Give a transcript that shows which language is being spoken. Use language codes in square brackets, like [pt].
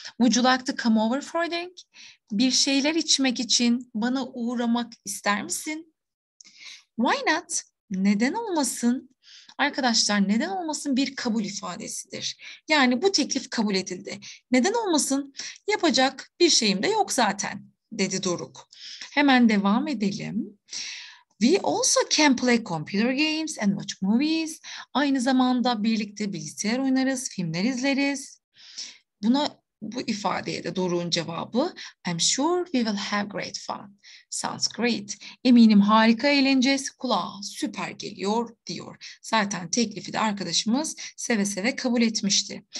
[en] Would you like to come over for a drink? [tr] Bir şeyler içmek için bana uğramak ister misin? [en] Why not? [tr] Neden olmasın? Arkadaşlar, neden olmasın bir kabul ifadesidir. Yani bu teklif kabul edildi. Neden olmasın? Yapacak bir şeyim de yok zaten, dedi Doruk. Hemen devam edelim. [en] We also can play computer games and watch movies. [tr] Aynı zamanda birlikte bilgisayar oynarız, filmler izleriz. Buna bu ifadeye de doğrunun cevabı [en] I'm sure we will have great fun. Sounds great. [tr] Eminim harika eğleneceğiz. Kulağa süper geliyor diyor. Zaten teklifi de arkadaşımız seve seve kabul etmişti.